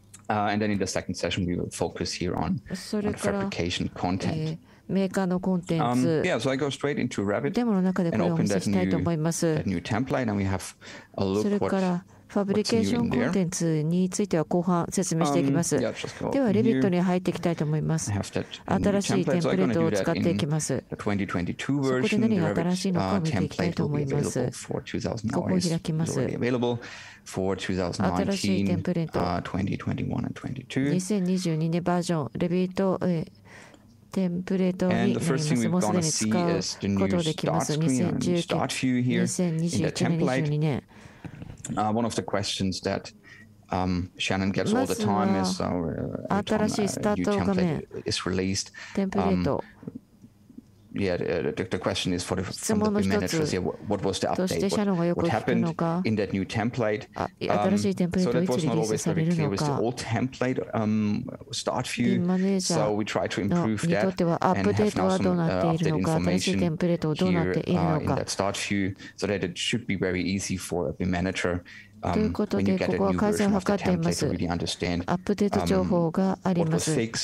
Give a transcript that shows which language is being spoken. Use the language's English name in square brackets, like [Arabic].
[English] And then in the second session, we will focus here on fabrication content. [Japanese] メーカーのコンテンツ、 [English] so、I go Revit [Japanese] デモの中でこれをお見せしたいと思います。それから、ファブリケーションコンテンツについては後半説明していきます。では、レビットに入っていきたいと思います。新しいテンプレートを使っていきます。そこで何が新しいのかを見ていきたいと思います。ここを開きます。新しいテンプレート、2022年バージョン、レビットテンプレートになります。もうすでに使うことができます。 2022年。 [English] One of the questions that Shannon gets all the time is new template is released. The question is from the managers here, what was the update? What happened in that new template? So that was not always very clear with the old template start view. So we try to improve that and have now some updated information here in that start view so that it should be very easy for a manager. [Japanese] ということで、ここは改善を図っています。アップデート情報があります。